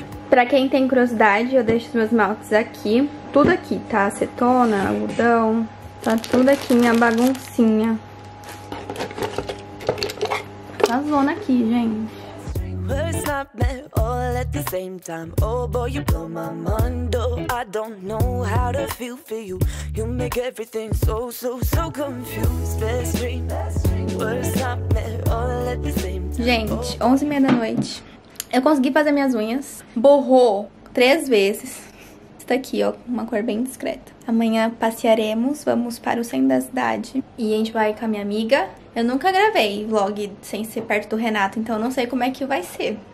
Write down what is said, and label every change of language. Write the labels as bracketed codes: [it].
[pt] Pra quem tem curiosidade, eu deixo os meus esmaltes aqui. Tudo aqui, tá? Acetona, algodão. Tá tudo aqui, minha baguncinha. Tá zona aqui, gente. [en] Worst nightmare, all at the same time. Oh boy, you blow my mind. Oh, I don't know how to feel for you. You make everything so, so, so confused. Best dream, worst nightmare, all at the same time. [pt] Gente, 11:30 da noite. Eu consegui fazer minhas unhas. Borrou 3 vezes. Isso daqui, ó, uma cor bem discreta. Amanhã passearemos, vamos para o centro da cidade. E a gente vai com a minha amiga. Eu nunca gravei vlog sem ser perto do Renato, então eu não sei como é que vai ser.